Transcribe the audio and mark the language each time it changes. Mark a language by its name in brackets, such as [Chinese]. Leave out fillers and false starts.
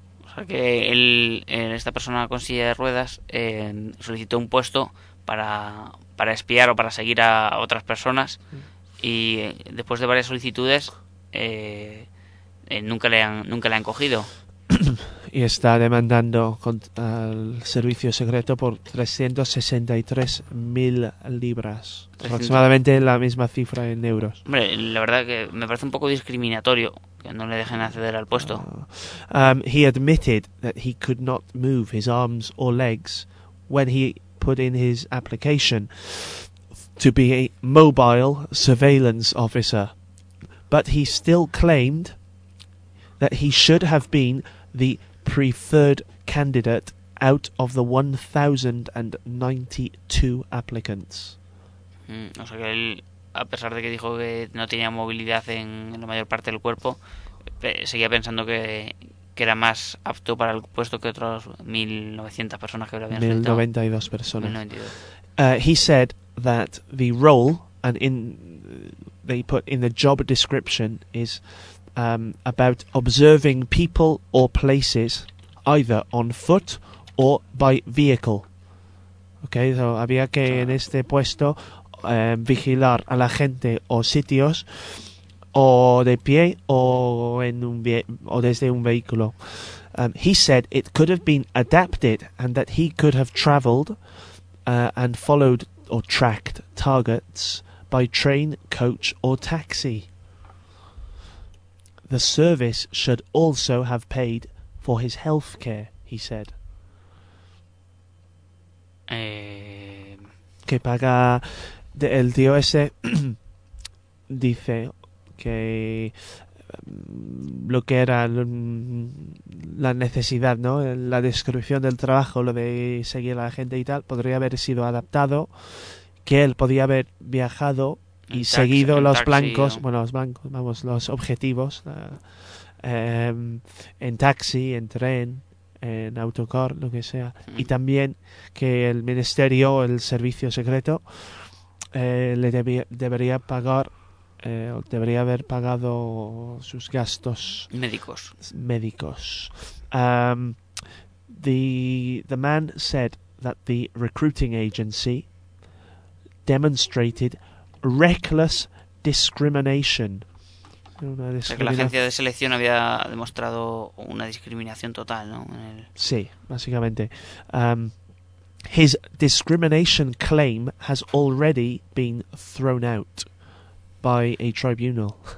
[Spanish] O sea que esta persona con silla de ruedas solicitó un puesto para espiar o para seguir a otras personas y después de varias solicitudes nunca le han cogido. Y está demandando al servicio secreto por 363.000 libras. 300. Aproximadamente la misma cifra en euros. Hombre, la verdad que me parece un poco discriminatorio que no le dejen acceder al puesto. [English] He admitted that he could not move his arms or legs when he put in his application to be a mobile surveillance officer. But he still claimed that he should have been the preferred candidate out of the 1,092 applicants. [Spanish] O sea que él, a pesar de que dijo que no tenía movilidad en la mayor parte del cuerpo, seguía pensando que era más apto para el puesto que otras 1,900 personas que lo habían solicitado. 1,092 personas. 1,092. [English] He said that the role, and in they put in the job description, is about observing people or places either on foot or by vehicle. Okay, so [Spanish] había que en este puesto vigilar a la gente o sitios o de pie o en un o desde un vehículo. [English] He said it could have been adapted and that he could have traveled and followed or tracked targets by train, coach or taxi. The service should also have paid for his health care, he said. [Spanish] Que paga el tío ese dice que lo que era la necesidad, ¿no? La descripción del trabajo, lo de seguir a la gente y tal, podría haber sido adaptado, que él podía haber viajado y taxi, seguido los blancos, ¿no? Bueno, los blancos, vamos, los objetivos, en taxi, en tren, en autocar, lo que sea. Y también que el ministerio, el servicio secreto, debería haber pagado sus gastos médicos. [English] The man said that the recruiting agency demonstrated reckless discrimination. [Spanish] La agencia de selección había demostrado una discriminación total, ¿no? Sí, básicamente. [English] His discrimination claim has already been thrown out by a tribunal.